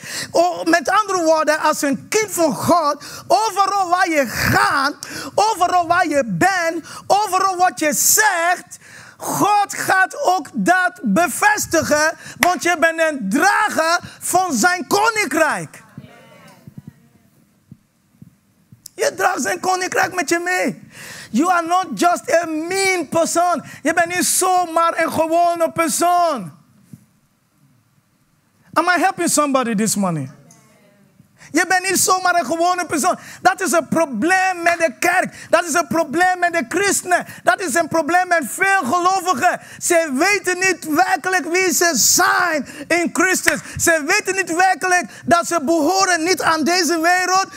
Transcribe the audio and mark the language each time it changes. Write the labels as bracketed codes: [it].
[nl] Oh, met andere woorden, als een kind van God, overal waar je gaat, overal waar je bent, overal wat je zegt, God gaat ook dat bevestigen, want je bent een drager van zijn koninkrijk. Je draagt zijn koninkrijk met je mee. [en] You are not just a mean person. [nl] Je bent niet zomaar een gewone persoon. [en] Am I helping somebody this morning? Amen. [nl] Je bent niet zomaar een gewone persoon. Dat is een probleem met de kerk. Dat is een probleem met de christenen. Dat is een probleem met veel gelovigen. Ze weten niet werkelijk wie ze zijn in Christus. Ze weten niet werkelijk dat ze behoren niet aan deze wereld.